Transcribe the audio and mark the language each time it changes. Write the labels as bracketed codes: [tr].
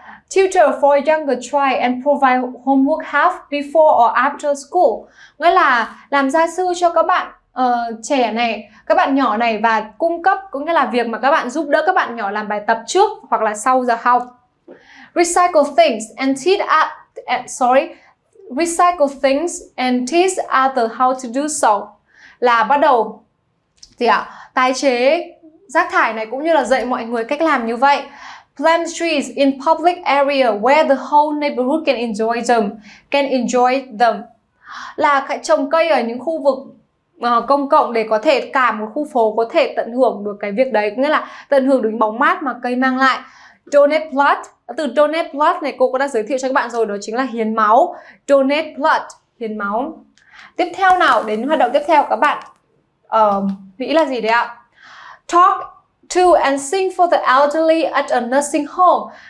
[en] Tutor for younger child and provide homework half before or after school. [vi] Nghĩa là làm gia sư cho các bạn trẻ này, các bạn nhỏ này, và cung cấp, cũng nghĩa là việc mà các bạn giúp đỡ các bạn nhỏ làm bài tập trước hoặc là sau giờ học. [en] Recycle things and teach others how to do so. [vi] Là bắt đầu tái chế rác thải này cũng như là dạy mọi người cách làm như vậy. [en] Plant trees in public area where the whole neighborhood can enjoy them. [vi] Là trồng cây ở những khu vực công cộng để có thể cả một khu phố có thể tận hưởng được cái việc đấy, nghĩa là tận hưởng được bóng mát mà cây mang lại. [en] Donate blood. [vi] Từ donate blood này cô cũng đã giới thiệu cho các bạn rồi, đó chính là hiến máu. Donate blood, hiến máu. Tiếp theo nào, đến hoạt động tiếp theo các bạn nghĩ là gì đấy ạ? [en] Talk to and sing for the elderly at a nursing home.